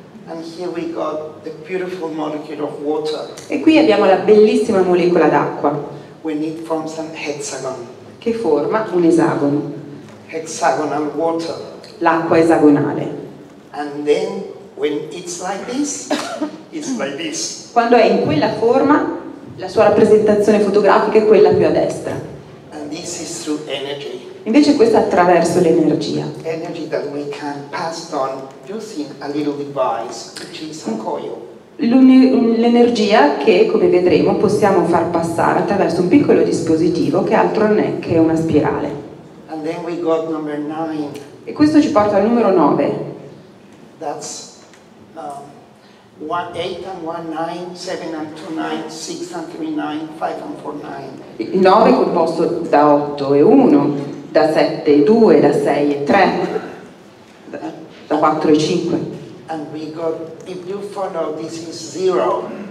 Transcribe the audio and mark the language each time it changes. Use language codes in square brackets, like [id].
[en] And here we got the beautiful molecule of water. [it] E qui abbiamo la bellissima molecola d'acqua. [en] When it forms an hexagon. [it] Che forma un esagono. [en] Hexagonal water. [it] L'acqua esagonale. [en] And then when it's like this, it's like this. [it] Quando è in quella forma, la sua rappresentazione fotografica è quella più a destra. [en] And this is through energy. [it] Invece questa attraverso l'energia. [en] Energy that we can pass on using a little device, which is a coil. [it] L'energia che, come vedremo, possiamo far passare attraverso un piccolo dispositivo che altro non è che una spirale. [en] And then we got number 9. [it] E questo ci porta al numero 9. [en] That's 8 and 1, 9, 7 and 2, 9, 6 and 3, 9, 5 and 4, 9. [it] Il 9 è composto da 8 e 1, da 7 e 2, da 6 e 3, da 4 e 5. [en] And we got, if you follow, this is 0.